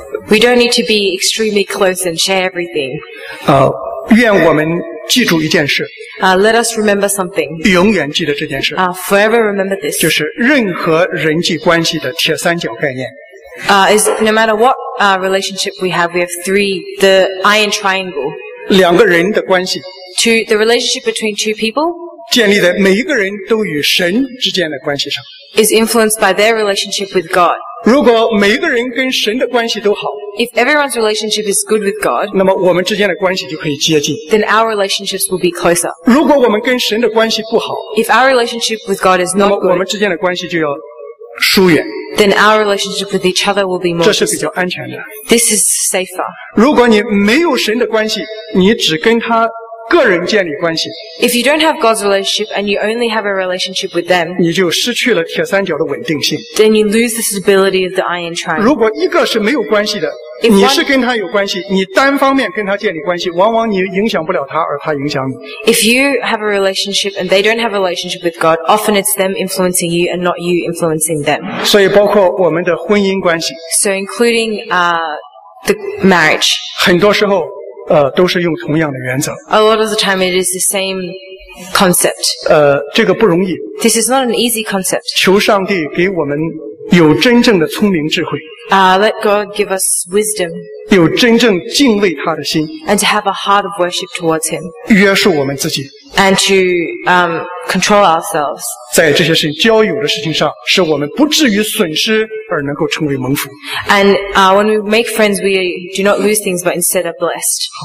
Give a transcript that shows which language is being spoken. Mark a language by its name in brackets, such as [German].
[English] We don't need to be extremely close and share everything. [Chinese] 愿我们记住一件事。 [English] Let us remember something. [Chinese] 永远记得这件事。 [English] Forever remember this. [Chinese] 就是任何人际关系的铁三角概念。 [English] Is no matter what relationship we have three, the iron triangle. [Chinese] 两个人的关系。 [English] To the relationship between two people. [Chinese] 建立在每一个人都与神之间的关系上。 [English] Is influenced by their relationship with God. [Chinese] 如果每一个人跟神的关系都好 [English] If everyone's relationship is good with God, [Chinese] 那么我们之间的关系就可以接近 [English] then our relationships will be closer. [Chinese] 如果我们跟神的关系不好 [English] If our relationship with God is not good, [Chinese] 那么我们之间的关系就要疏远 [English] then our relationship with each other will be more [Chinese] 这是比较安全的 [English] This is safer. [Chinese] 如果你没有神的关系你只跟他个人建立关系 [English] If you don't have God's relationship and you only have a relationship with them, [Chinese] 你就失去了铁三角的稳定性 [English] then you lose the stability of the iron triangle. [Chinese] 如果一个是没有关系的 [English] if [Chinese] 你是跟他有关系你单方面跟他建立关系往往你影响不了他而他影响你 [English] If you have a relationship and they don't have a relationship with God, often it's them influencing you and not you influencing them. [Chinese] 所以包括我们的婚姻关系 [English] So including the marriage. [Chinese] 很多时候都是用同样的原则。 [English] A lot of the time it is the same concept. [Chinese] 这个不容易。 [English] This is not an easy concept. [Chinese] 求上帝给我们有真正的聪明智慧。 [English] Let God give us wisdom. [Chinese] 有真正敬畏他的心。 [English] And to have a heart of worship towards him. [Chinese] 约束我们自己。 [English] And to control ourselves. [Chinese] 在这些事情交友的事情上使我们不至于损失而能够成为蒙福。 [English] And when we make friends, we do not lose things, but instead are blessed.